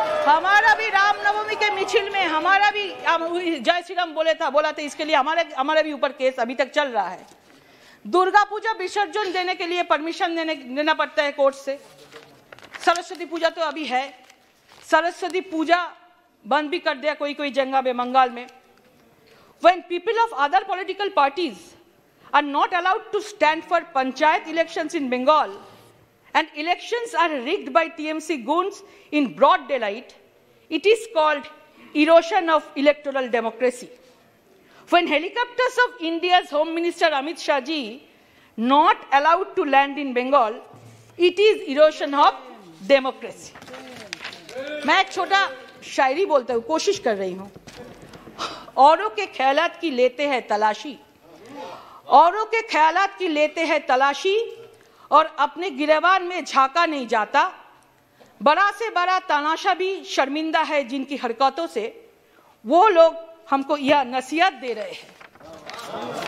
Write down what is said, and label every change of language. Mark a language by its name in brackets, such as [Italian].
[Hindi] हमारा भी रामनवमी के मिचिल में, हमारा भी जय श्री राम बोला थे इसके लिए हमारे भी ऊपर केस अभी तक चल रहा है। दुर्गा पूजा विसर्जन देने के लिए परमिशन देना पड़ता है कोर्ट से। सरस्वती पूजा तो अभी है, सरस्वती पूजा बंद भी कर दिया कोई कोई जगह में बंगाल में। [English] When people of other political parties are not allowed to stand for panchayat elections in Bengal and elections are rigged by TMC goons in broad daylight, it is called erosion of electoral democracy. When helicopters of India's Home Minister Amit Shah ji not allowed to land in Bengal, it is erosion of democracy. [Hindi] मैं एक छोटा शायरी बोलता हूँ, कोशिश कर रही हूँ। औरों के ख्यालात की लेते हैं तलाशी, औरों के ख्यालात की लेते हैं तलाशी, और अपने गिरेबान में झांका नहीं जाता। बड़ा से बड़ा तानाशाह भी शर्मिंदा है जिनकी हरकतों से, वो लोग हमको यह नसीहत दे रहे हैं।